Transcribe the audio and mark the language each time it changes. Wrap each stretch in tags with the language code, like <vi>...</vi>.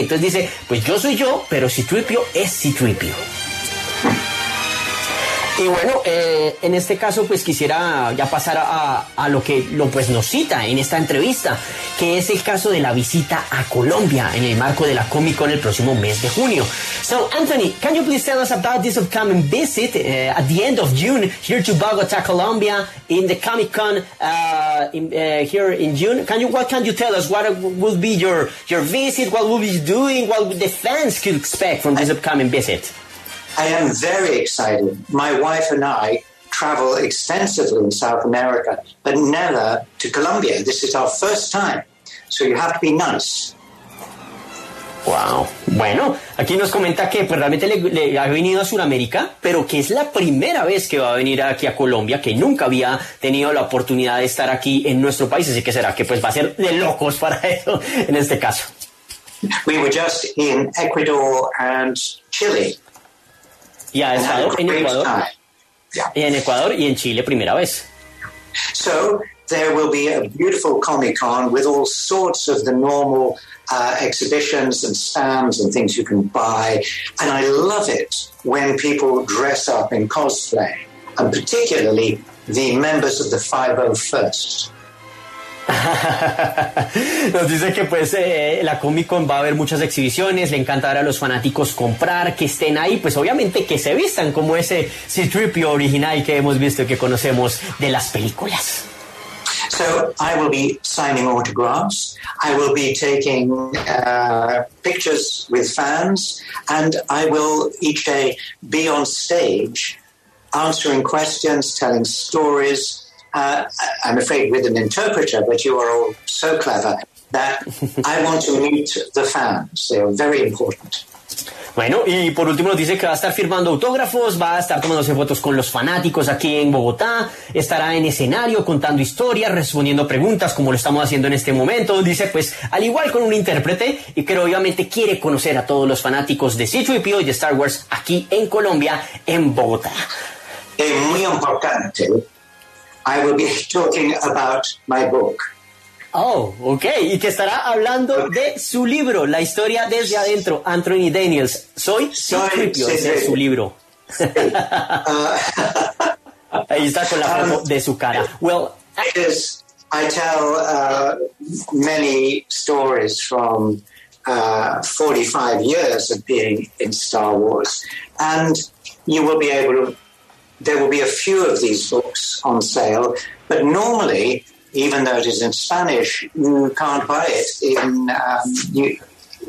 <es>Entonces dice, pues yo soy yo, pero C-3PO es C-3PO. Y bueno, en este caso, pues quisiera ya pasar a lo que pues nos cita en esta entrevista, que es el caso de la visita a Colombia en el marco de la Comic Con el próximo mes de junio.</es> <en>So, Anthony, can you please tell us about this upcoming visit at the end of June here to Bogota, Colombia, in the Comic Con here in June? What can you tell us? What will be your visit? What will be you doing? What the fans could expect from this upcoming visit? I am very excited. My wife and I travel extensively in South America, but never to Colombia. This is our first time, so you have to be nice. Wow.</en> <es>Bueno, aquí nos comenta que pues, realmente le ha venido a Sudamérica, pero que es la primera vez que va a venir aquí a Colombia, que nunca había tenido la oportunidad de estar aquí en nuestro país, así que será que pues, va a ser de locos para eso en este caso.</es> <en>We were just in Ecuador and Chile.</en> <es>Ya ha estado en Ecuador. Yeah. En Ecuador y en Chile, primera vez.</es> <en>So, there will be a beautiful Comic-Con with all sorts of the normal exhibitions and stands and things you can buy. And I love it when people dress up in cosplay, and particularly the members of the 501st.</en> <es>Nos dice que pues la Comic Con va a haber muchas exhibiciones, le encanta ver a los fanáticos comprar, que estén ahí, pues obviamente que se vistan como ese C-3PO original que hemos visto y que conocemos de las películas.</es> <en>So I will be signing autographs, I will be taking pictures with fans, and I will each day be on stage answering questions, telling stories. I'm afraid with an interpreter, but you are all so clever that I want to meet the fans. They are very important.</en> <es>Bueno, y por último nos dice que va a estar firmando autógrafos, va a estar tomándose fotos con los fanáticos aquí en Bogotá, estará en escenario contando historias, respondiendo preguntas como lo estamos haciendo en este momento. Dice, pues, al igual con un intérprete, y que obviamente quiere conocer a todos los fanáticos de C-3PO y de Star Wars aquí en Colombia, en Bogotá. Es muy importante.</es> <en>I will be talking about my book. Oh, okay.</en> <es>Y que estará hablando de su libro, La Historia Desde Adentro, Anthony Daniels. Soy C-3PO, ese es su libro. Ahí está con la foto de su cara.</es> <en>Well, I tell many stories from 45 years of being in Star Wars, and you will be able to. There will be a few of these books on sale, but normally, even though it is in Spanish, you can't buy it in</en>